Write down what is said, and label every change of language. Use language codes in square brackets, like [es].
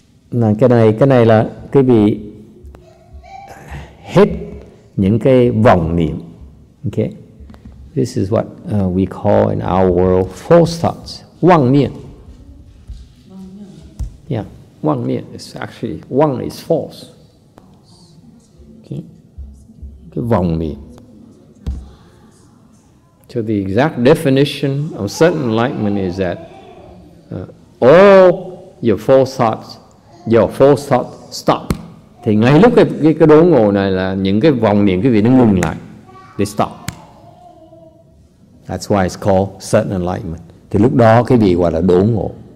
[vi] Nào, cái này là quý vị hết những cái vọng niệm. [en] Okay, this is what we call in our world false thoughts, vọng niệm. Yeah, vọng niệm is actually vọng is false. Okay, cái vọng niệm. So the exact definition of certain enlightenment is that all your false thoughts. Your false thought stop. [vi] Thì ngay lúc cái đốn ngộ này là những cái vọng niệm quý vị nó ngừng lại. [en] They stop. That's why it's called sudden enlightenment. [vi] Thì lúc đó quý vị gọi là đốn ngộ.